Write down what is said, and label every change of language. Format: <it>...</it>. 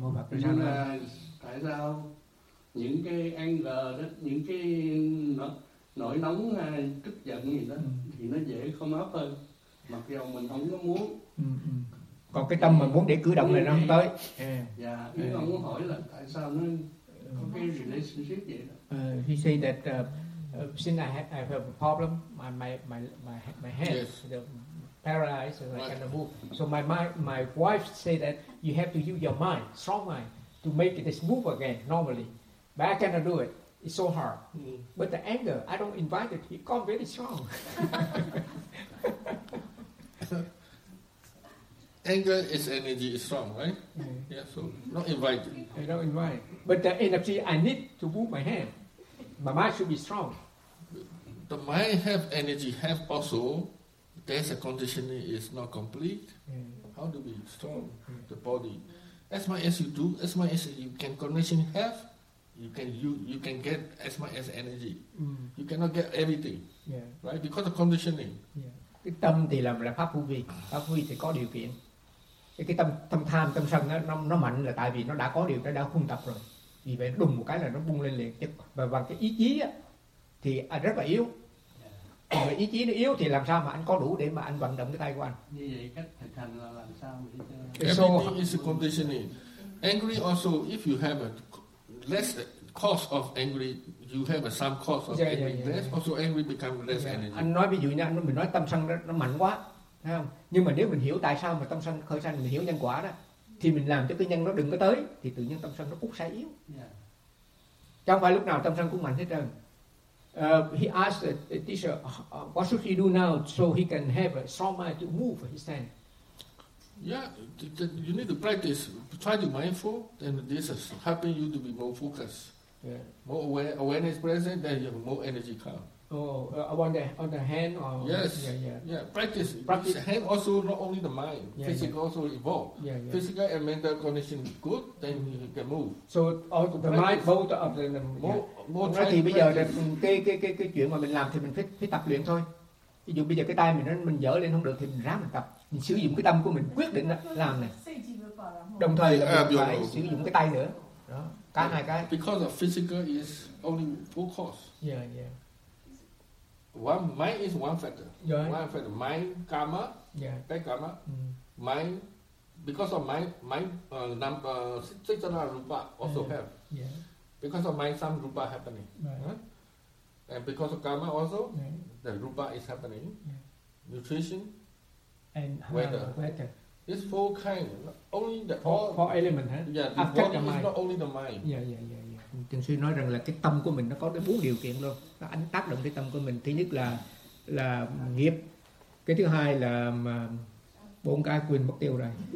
<vi>Nhưng mà tại sao những cái anger đó, những cái nổi nóng hay tức giận gì đó thì nó dễ không áp hơn, mặc dù mình không có muốn. Còn cái tâm mà muốn để cử động này nó không tới. Dạ, nhưng mà muốn hỏi là tại sao nó có cái relationship vậy đó?</vi> <en>He say that since I have a problem, my head, yes. The paralyzed, and I cannot move. So my wife say that you have to use your mind, strong mind, to make this move again normally. But I cannot do it. It's so hard. Mm. But the anger, I don't invite it. It come very strong. Anger is energy is strong, right? Yeah. So not invited. I don't invite. But the energy, I need to move my hand. My mind should be strong. The mind have energy, have also, there's a conditioning is not complete. Yeah. How to be strong, the body? As much as you do, as much as you can condition have, you can get as much as energy. You cannot get everything, right? Because of conditioning.</en> <vi>Yeah. Cái tâm thì là pháp vô vi. Pháp vô vi thì có điều kiện. Cái tâm tham, tâm sân nó mạnh là tại vì nó đã có điều, nó đã khung tập rồi. Vì vậy đùng một cái là nó bung lên liền. Và bằng cái ý chí á, thì anh rất là yếu. Còn ý chí nó yếu thì làm sao mà anh có đủ để mà anh vận động cái tay của anh. Như vậy cách thực hành là làm sao để cho...</vi> <en>Everything is conditioning. Angry also, if you have a less cause of angry, you have a some cause of angry. Less also angry become less energy.</en> <vi>Anh nói ví dụ nha, mình nói tâm sân nó mạnh quá. Thấy không? Nhưng mà nếu mình hiểu tại sao mà tâm sân khởi sanh, mình hiểu nhân quả đó, thì mình làm cho cái nhân nó đừng có tới, thì tự nhiên tâm sân nó cũng sẽ yếu. Chứ không phải lúc nào tâm sân cũng mạnh hết trơn.</vi> <en>He asked the teacher, what should he do now so he can have a strong mind to move his hand? Yeah, you need to practice. Try to be mindful, then this is helping you to be more focused. Yeah. More awareness present, then you have more energy come. On the hand or practice. Hand also not only the mind, physical also evolve. Physical and mental condition good, then you can move. So the mind both of the more try.</en> <vi>Thì bây giờ cái chuyện mà mình làm thì mình phải tập luyện thôi. Ví dụ bây giờ cái tay mình dở lên không được thì mình ráng mình tập, mình sử dụng cái tâm của mình quyết định làm này. Đồng thời là mình phải sử dụng cái tay nữa. Đó, cả hai cái.</vi> <en>Because the physical is only full cause. One mind is one factor. One factor. Mind, karma. That karma. Mind, because of mind, sixana rupa also have. Because of mind, some rupa happening. Right. And because of karma also, the rupa is happening. Yeah. Nutrition. And weather. It's four kinds. Only the four elements. Yeah, the body is not only the mind.</en> <vi>Thiền sư nói rằng là cái tâm của mình nó có cái bốn điều kiện luôn, nó ảnh tác động cái tâm của mình. Thứ nhất là nghiệp, cái thứ hai là mà bốn cái quên mất tiêu rồi.</vi>